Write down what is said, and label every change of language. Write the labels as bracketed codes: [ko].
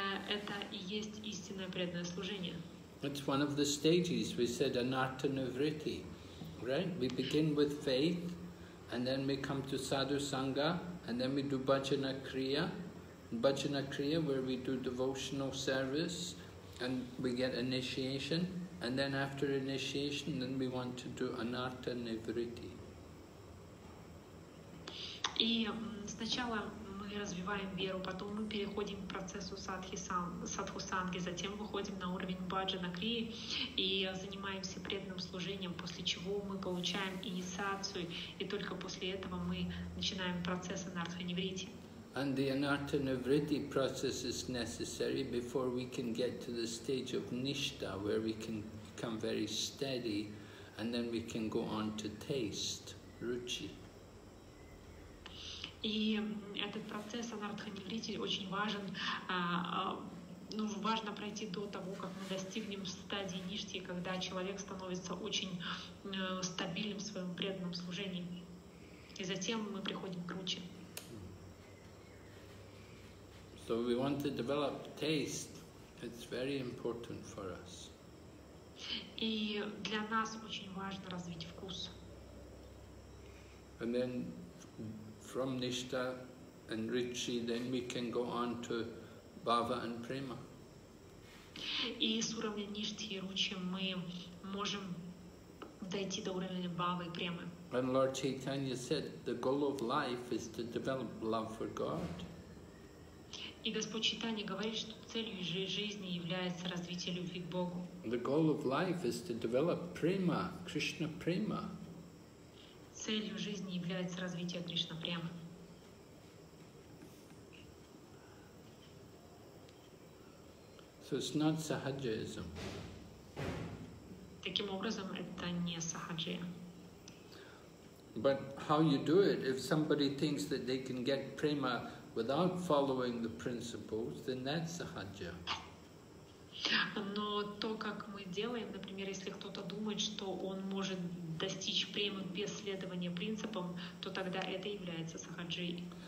[ru] Это и есть истинное преданное служение. [en] It's one of the stages. We said anartha nivritti, right? We begin with faith, and then we come to sadhu sangha, and then we do bhajana kriya. Bhajana kriya, where we do devotional service, and we get initiation, and then after initiation, then we want to do anartha nivritti. [ru] И сначала мы развиваем веру, потом мы переходим к процессу садху-санги, затем выходим на уровень баджана-крии и занимаемся преданным служением, после чего мы получаем инициацию, и только после этого мы начинаем процесс анартха-нивритти. [en] And the anartha nivritti process is necessary before we can get to the stage of nishta, where we can become very steady, and then we can go on to taste, ruchi. [ru] И этот процесс анартха нивритти очень важен. Ну, важно пройти до того, как мы достигнем стадии ништи, когда человек становится очень стабильным в своем преданном служении. И затем мы приходим к ручи. [en] So we want to develop taste. It's very important for us. [ru] И для нас очень важно развить вкус. [en] And then from nishta and ruchi, then we can go on to bhava and prema. [ru] И с уровня ништи и ручи мы можем дойти до уровня бхавы и премы. [en] And Lord Chaitanya said, the goal of life is to develop love for God. [ru] И Господь Чайтанья говорит, что целью жизни является развитие любви к Богу. [en] The goal of life is to develop prema, Krishna prema. [ru] Целью жизни является развитие Кришна према. [en] So it's not sahajism. [ru] Таким образом, это не сахаджия. [en] But how you do it, if somebody thinks that they can get prema without following the principles, then that's sahajya. [ru] Но то, как мы делаем, например, если кто-то думает, что он может достичь премы без следования принципам, то тогда это является сахаджей.